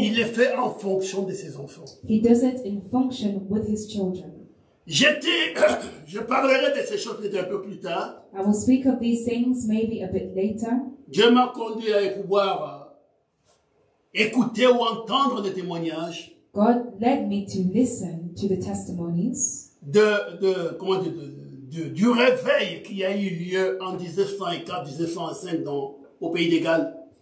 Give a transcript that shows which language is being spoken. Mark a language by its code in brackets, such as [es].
[fr] il le fait en fonction de ses enfants. [en] He does it in function with his children. [fr] Je parlerai de ces choses un peu plus tard. [en] I will speak of these things maybe a bit later. [fr] Dieu m'a conduit à pouvoir écouter ou entendre des témoignages. [en] God led me to listen to the testimonies. [fr] Du réveil qui a eu lieu en 1904, 1905 au pays de Galles.